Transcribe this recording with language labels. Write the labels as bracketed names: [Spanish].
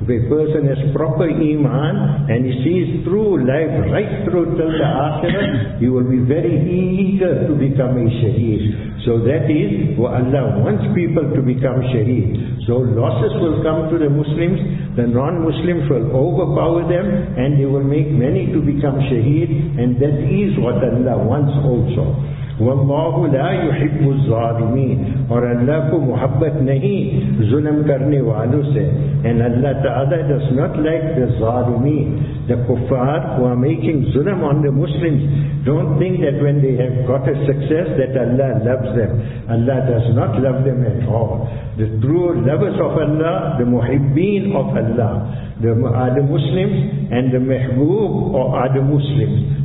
[English] If a person has proper Iman and he sees through life right through till the akhirah, he will be very eager to become a shaheed. So that is what Allah wants people to become shaheed. So losses will come to the Muslims, the non-Muslims will overpower them, and they will make many to become shaheed, and that is what Allah wants also. [Arabic] وَاللَّهُ لَا يُحِبُّ الظَّالِمِينَ [Urdu] اور اللہ کو محبت نہیں ظلم کرنے والوں سے. [English] And Allah Ta'ala does not like the ظالمین, the kuffar who are making ظلم on the Muslims. Don't think that when they have got a success that Allah loves them. Allah does not love them at all. The true lovers of Allah, the muhibbeen of Allah, are the Muslims, and the mahbub are the Muslims.